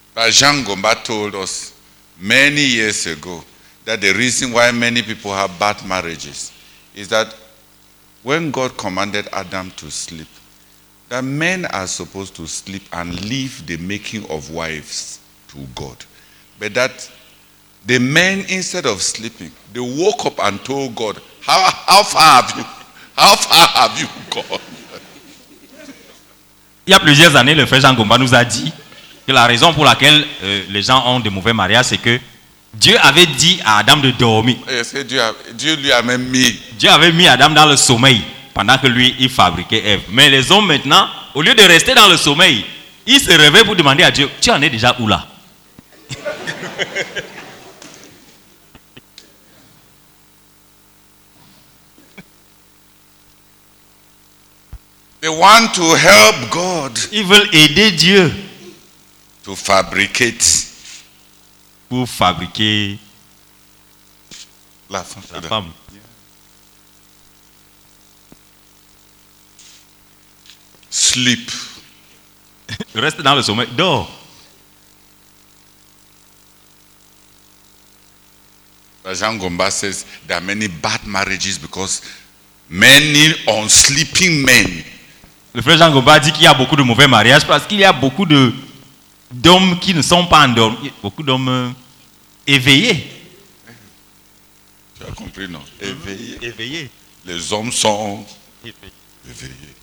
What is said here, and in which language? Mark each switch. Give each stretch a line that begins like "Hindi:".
English: Jean Gomba told us many years ago that the reason why many people have bad marriages is that when God commanded Adam to sleep, that men are supposed to sleep and leave the making of wives to God. But that the men, instead of sleeping, they woke up and told God, How far have you gone?
French: Il y a plusieurs années, le frère Jean Gomba nous a dit que la raison pour laquelle les gens ont de mauvais mariages, c'est que Dieu avait dit à Adam de dormir. Dieu avait mis Adam dans le sommeil pendant que lui, il fabriquait Ève. Mais les hommes maintenant, au lieu de rester dans le sommeil, ils se réveillent pour demander à Dieu, tu en es déjà où là?
English: They want to help God.
French: Ils veulent aider Dieu.
English: To fabricate.
French: Pour fabriquer la femme. La femme.
English: Sleep.
French: Reste dans le sommeil. Dors.
English: Jean Gomba says there are many bad marriages because many unsleeping men.
French: Le frère Jean Gomba dit qu'il y a beaucoup de mauvais mariages parce qu'il y a beaucoup de d'hommes qui ne sont pas endormis, beaucoup d'hommes éveillés. Tu as compris, non? Éveillés. Éveillés. Les hommes sont éveillés.